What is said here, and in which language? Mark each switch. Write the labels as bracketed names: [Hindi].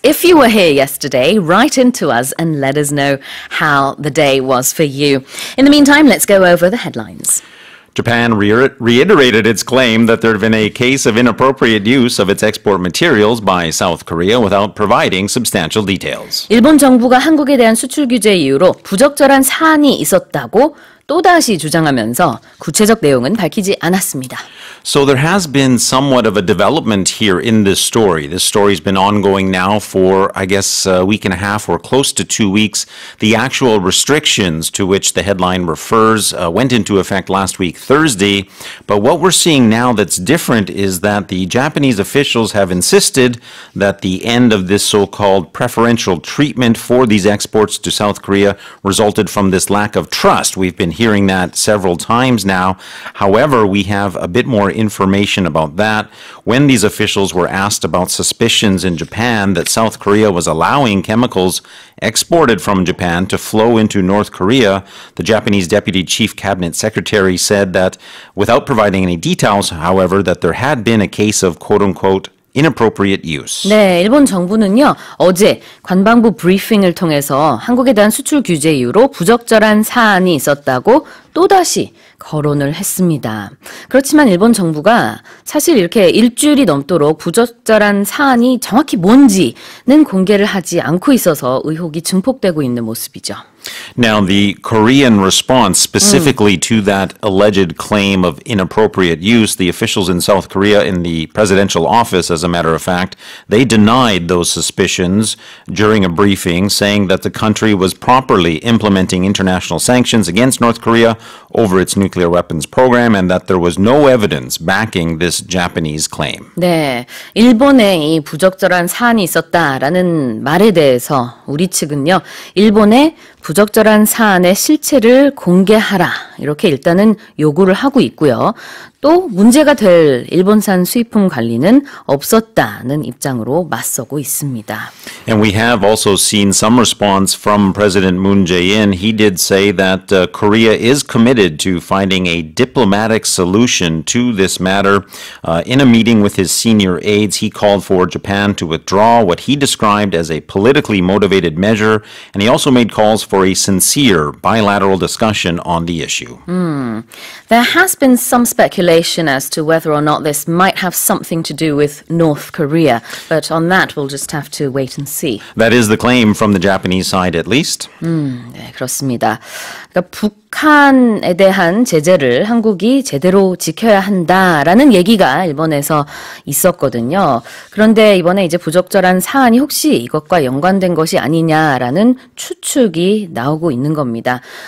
[English] If you were here yesterday, write into us and let us know how the day was for you. In the meantime, let's go over the headlines. Japan reiterated its claim that there had been a case of inappropriate use of its export materials by South Korea without providing substantial details. [Korean] 일본 정부가 한국에 대한 수출 규제 이유로 부적절한 사안이 있었다고 또다시 주장하면서 구체적 내용은 밝히지 않았습니다. [English] So there has been somewhat of a development here in this story. This story's been ongoing now for, I guess, a week and a half or close to 2 weeks. The actual restrictions to which the headline refers went into effect last week, Thursday. But what we're seeing now that's different is that the Japanese officials have insisted that the end of this so-called preferential treatment for these exports to South Korea resulted from this lack of trust. We've been hearing that several times now. However, we have a bit more information about that. When these officials were asked about suspicions in Japan that South Korea was allowing chemicals exported from Japan to flow into North Korea, the Japanese Deputy Chief Cabinet Secretary said that, without providing any details, however, that there had been a case of quote-unquote inappropriate use. [Korean] 네, 일본 정부는요, 어제 관방부 브리핑을 통해서 한국에 대한 수출 규제 이유로 부적절한 사안이 있었다고 또다시 거론을 했습니다. 그렇지만 일본 정부가 사실 이렇게 일주일이 넘도록 부적절한 사안이 정확히 뭔지는 공개를 하지 않고 있어서 의혹이 증폭되고 있는 모습이죠. [English] Now, the Korean response specifically to that alleged claim of inappropriate use, the officials in South Korea in the presidential office, as a matter of fact, they denied those suspicions during a briefing, saying that the country was properly implementing international sanctions against North Korea over its nuclear weapons program and that there was no evidence backing this Japanese claim. [Korean] 네, 일본에 이 부적절한 사안이 있었다라는 말에 대해서 우리 측은요, 일본에 부적절한 사안의 실체를 공개하라 이렇게 일단은 요구를 하고 있고요. 또 문제가 될 일본산 수입품 관리는 없었다는 입장으로 맞서고 있습니다. [English] And we have also seen some response from President Moon Jae-in. He did say that Korea is committed to finding a diplomatic solution to this matter. In a meeting with his senior aides, he called for Japan to withdraw what he described as a politically motivated measure, and he also made calls for a sincere bilateral discussion on the issue. There has been some speculation as to whether or not this might have something to do with North Korea, but on that we'll just have to wait and see. That is the claim from the Japanese side, at least. [Korean] 네, 그렇습니다. 그러니까 북한에 대한 제재를 한국이 제대로 지켜야 한다라는 얘기가 일본에서 있었거든요. 그런데 이번에 이제 부적절한 사안이 혹시 이것과 연관된 것이 아니냐라는 추측이 나오고 있는 겁니다.